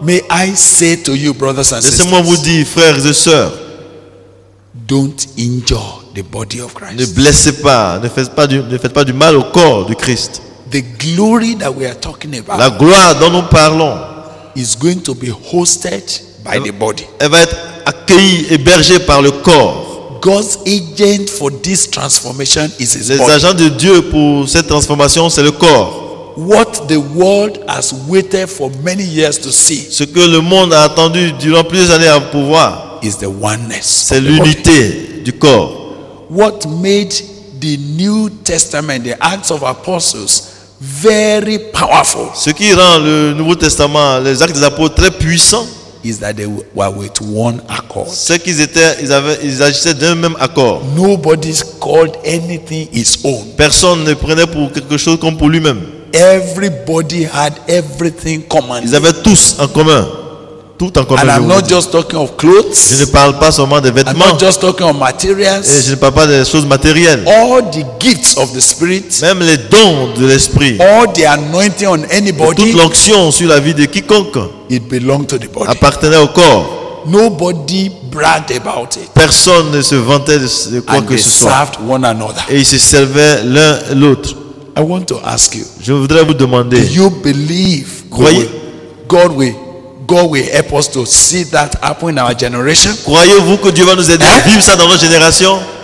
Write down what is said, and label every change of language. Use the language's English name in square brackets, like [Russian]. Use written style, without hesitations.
[English] May I say to you, brothers and sisters, [French] laissez-moi vous dire, frères et sœurs, [English] don't injure the body of Christ. [French] Ne blessez pas, ne faites pas du mal au corps du Christ. [English] The glory that we are talking about, [French] la gloire dont nous parlons, [English] is going to be hosted by the body. [French] Elle va être accueillie, hébergée par le corps. [English] God's agent for this transformation is his body. [French] Les agents de Dieu pour cette transformation, c'est le corps. [English] What the world has waited for many years to see, [French] ce que le monde a attendu durant plusieurs années à pouvoir, [English] is the oneness. [French] C'est l'unité du corps. [English] What made the New Testament, the Acts of Apostles, very powerful. [French] Ce qui rend le Nouveau Testament, les Actes des Apôtres, très puissants, [English] is that they were with one accord. [French] C'est qu'ils étaient, ils agissaient d'un même accord. [English] Nobody called anything his own. [French] Personne ne prenait pour quelque chose comme pour lui-même. [English] Everybody had everything common. [French] Ils avaient tous en commun. [English] And I'm not just talking of clothes. [French] Je ne parle pas seulement des vêtements. [English] I'm not just talking of materials. [French] Et je ne parle pas des choses matérielles. [English] All the gifts of the Spirit. [French] Même les dons de l'Esprit. [English] All the anointing on anybody. [French] Toute l'onction sur la vie de quiconque. [English] It belonged to the body. [French] Appartenait au corps. [English] Nobody bragged about it. [French] Personne ne se vantait de quoi [English] and [French] que ce soit. [English] Served one another. [French] Et ils se servaient l'un l'autre. [English] I want to ask you. [French] Je voudrais vous demander. [English] Do you believe? [French] Croyez. [English] God will help us to see that happen in our generation. [French] Croyez-vous que Dieu va nous aider à vivre ça dans notre génération?